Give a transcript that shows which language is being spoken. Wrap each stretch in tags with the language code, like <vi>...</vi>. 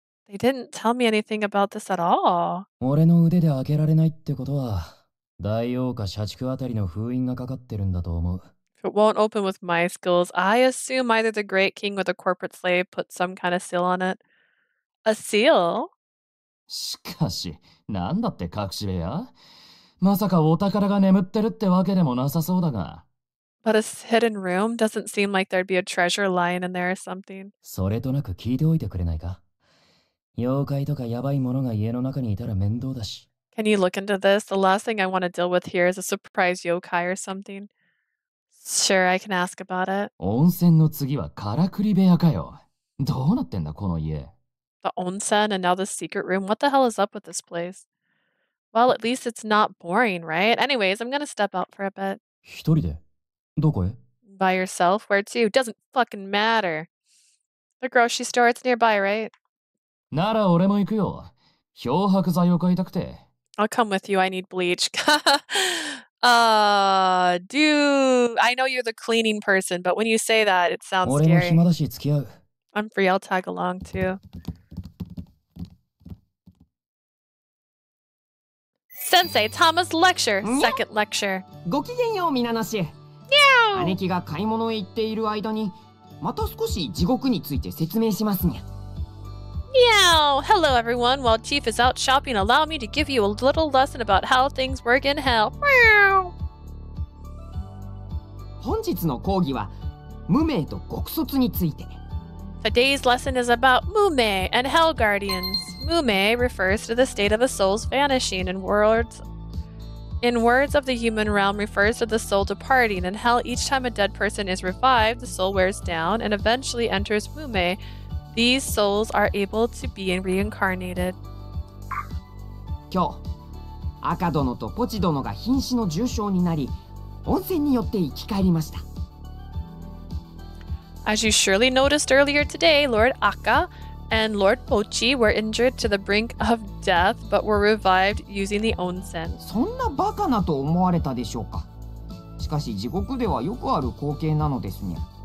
<en>They didn't tell me anything about this at all.</en> <ja>俺の腕で開けられないってことは、大王か社畜あたりの封印がかかってるんだと思う。</ja> <en>If it won't open with my skills, I assume either the Great King or the Corporate Slave put some kind of seal on it. A seal?</en> <ja>しかし、なんだって隠し部屋？まさかお宝が眠ってるってわけでもなさそうだが。</ja> <en>But a hidden room doesn't seem like there'd be a treasure lying in there or something.</en> <ja>それとなく聞いておいてくれないか。妖怪とかやばいものが家の中にいたら面倒だし。</ja> <en>Can you look into this? The last thing I want to deal with here is a surprise yokai or something. Sure, I can ask about it.</en> <ja>温泉の次はカラクリ部屋かよ。どうなってんだこの家。</ja> <en>The onsen and now the secret room. What the hell is up with this place? Well, at least it's not boring, right? Anyways, I'm gonna step out for a bit.</en> <ja>一人で。どこへ?</ja> <en>By yourself? Where to? Doesn't fucking matter. The grocery store, it's nearby, right?</en> <ja>なら俺も行くよ。漂白剤を買いたくて。</ja> <en>I'll come with you, I need bleach. I know you're the cleaning person, but when you say that, it sounds scary.</en> <ja>俺も暇だし付き合う。</ja> <en>I'm free, I'll tag along too. Sensei, Thomas lecture, second lecture.</en> <ja>ごきげんよう、みななし。兄貴が買い物へ行っている間にまた少し地獄について説明しますにゃ。</ja> <en>にゃお Hello everyone! While Chief is out shopping, allow me to give you a little lesson about how things work in hell. にゃお</en> <ja>本日の講義は無名と極卒について。</ja> <en>Today's lesson is about 無名 and hell guardians. 無名 refers to the state of a soul's vanishing in worlds... In words of the human realm, refers to the soul departing. In hell, each time a dead person is revived, the soul wears down and eventually enters Mume. These souls are able to be reincarnated.</en> <ja>今日、赤殿とポチ殿が瀕死の重傷になり、温泉によって生き返りました。</ja> <en>As you surely noticed earlier today, Lord Aka and Lord Pochi were injured to the brink of death, but were revived using the onsen.</en> <ja>そんなバカなと思われたでしょうか。しかし地獄ではよくある光景なのですね。</ja>